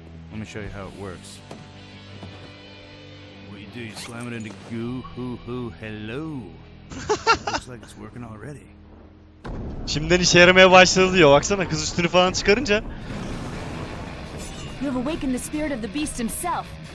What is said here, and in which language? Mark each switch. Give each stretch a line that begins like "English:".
English: Let me show you how it works. Do you slam it into goo hoo hoo hello? Looks like it's working already.
Turkish: Şimdiden işe yaramaya başladı diyor. Baksana kız üstünü falan çıkarınca.
English: You have awakened the spirit of the beast himself.